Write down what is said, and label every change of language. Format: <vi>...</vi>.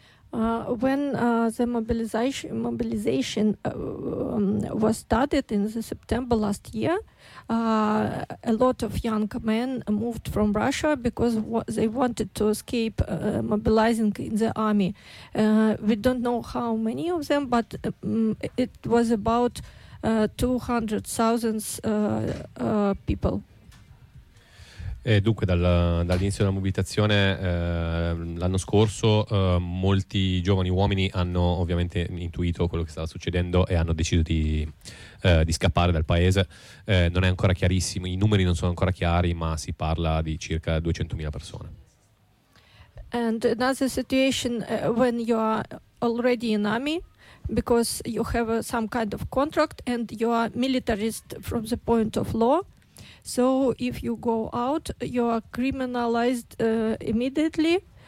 <en>When the mobilization was started in the September last year, a lot of young men moved from Russia because they wanted to escape mobilizing in the army. We don't know how many of them, but it was about 200,000 people.</en> <it>E dunque dall'inizio della mobilitazione l'anno scorso molti giovani uomini hanno ovviamente intuito quello che stava succedendo e hanno deciso di scappare dal paese. Non è ancora chiarissimo, i numeri non sono ancora chiari, ma si parla di circa 200,000 persone.</it> <en>And another situation when you are already in army because you have some kind of contract and you are militarist from the point of law. So if you go out, you are criminalized immediately</en>